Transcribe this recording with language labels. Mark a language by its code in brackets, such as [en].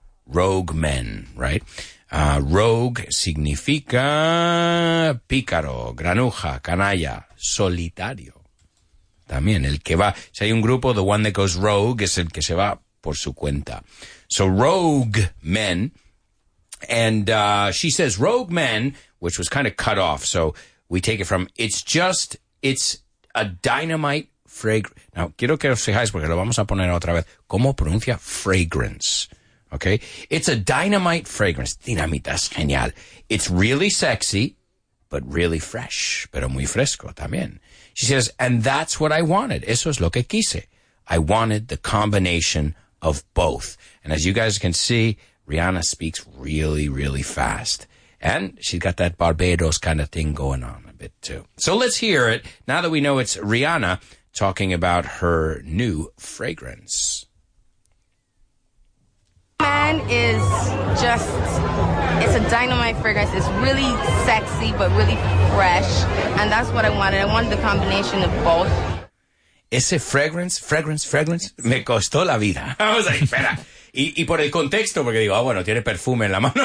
[es] Rogue Men, right? Rogue significa pícaro, granuja, canalla, solitario. También el que va. Si hay un grupo, [en] the one that goes rogue [es] es el que se va por su cuenta. [en] So Rogue Men. And she says Rogue Men, which was kind of cut off. So we take it from it's a dynamite fragrance. [es] Now, quiero que os fijáis porque lo vamos a poner otra vez. ¿Cómo pronuncia fragrance? [en] Okay, it's a dynamite fragrance. [es] Dinamita es genial. [en] It's really sexy, but really fresh. [es] Pero muy fresco también. [en] She says, and that's what I wanted. [es] Eso es lo que quise. [en] I wanted the combination of both. And as you guys can see, Rihanna speaks really, really fast. And she's got that Barbados kind of thing going on a bit too. So let's hear it. Now that we know it's Rihanna talking about her new fragrance. Man is it's a dynamite fragrance. It's really sexy, but really fresh. And that's what I wanted. I wanted the combination of both. [es] Ese fragrance, me costó la vida. [en] I was like, [es] espera. y por el contexto, porque digo, bueno, tiene perfume en la mano.